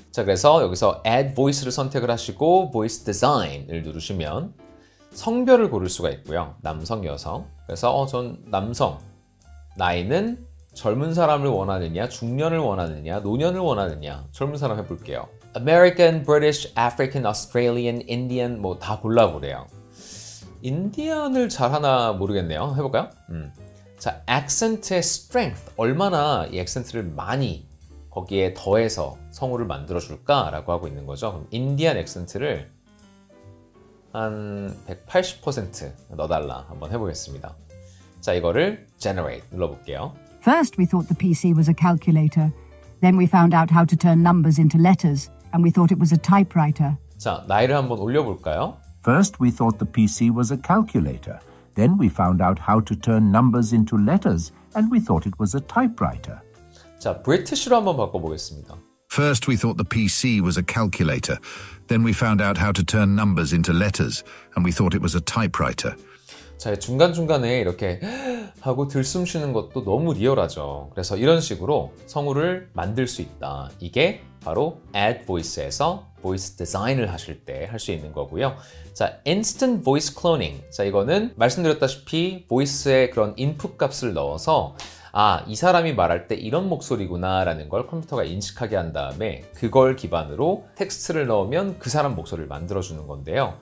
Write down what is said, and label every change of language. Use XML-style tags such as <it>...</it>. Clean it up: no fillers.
<ko>자, 그래서 여기서 Add Voice를 선택을 하시고 Voice Design을 누르시면 성별을 고를 수가 있고요. 남성, 여성. 그래서 전 남성, 나이는 젊은 사람을 원하느냐, 중년을 원하느냐, 노년을 원하느냐 젊은 사람 해볼게요.</ko> <en>American, British, African, Australian, Indian</en> <ko>뭐 다 골라보래요. 인디언을 잘하나 모르겠네요. 해볼까요? 자, accent의 strength 얼마나 이 accent를 많이 거기에 더해서 성우를 만들어줄까? 라고 하고 있는 거죠. 그럼 인디언 accent를 한 180% 넣어달라 한번 해보겠습니다. 자, 이거를 generate 눌러볼게요.</ko> <en>First, we thought the PC was a calculator. Then we found out how to turn numbers into letters, and we thought it was a typewriter.</en> <ko>자, 나이를 한번 올려볼까요?</ko> <en>First, we thought the PC was a calculator. Then we found out how to turn numbers into letters, and we thought it was a typewriter.</en> <ko>자, British로 한번 바꿔보겠습니다.</ko> <en>First, we thought the PC was a calculator. Then we found out how to turn numbers into letters, and we thought it was a typewriter.</en> <ko>자, 중간중간에 이렇게 하고 들숨 쉬는 것도 너무 리얼하죠. 그래서 이런 식으로 성우를 만들 수 있다. 이게 바로 Add Voice에서 Voice Design을 하실 때 할 수 있는 거고요. 자, Instant Voice Cloning. 자, 이거는 말씀드렸다시피 Voice에 그런 input 값을 넣어서 아, 이 사람이 말할 때 이런 목소리구나 라는 걸 컴퓨터가 인식하게 한 다음에 그걸 기반으로 텍스트를 넣으면 그 사람 목소리를 만들어주는 건데요.</ko>